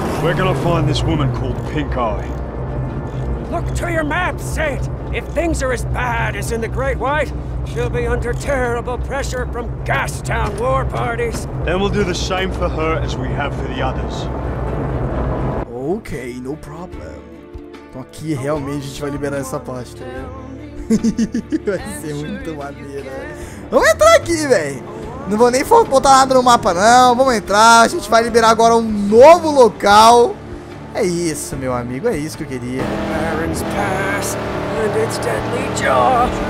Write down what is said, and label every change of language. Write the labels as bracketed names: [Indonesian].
[English] We're gonna find this woman called Pink Eye. Look to your map, Saint! If things are as bad as in the Great White, she'll be under terrible pressure from Gastown war parties. Then we'll do the same for her as we have for the others. Okay, no problem. [Portuguese] Então aqui realmente a gente vai liberar essa pasta. Vai ser muito maneiro. Vamos entrar aqui, velho. Não vou nem botar nada no mapa, não. Vamos entrar. A gente vai liberar agora um novo local. É isso, meu amigo. É isso que eu queria. [English] Baron's Pass and its deadly jaw.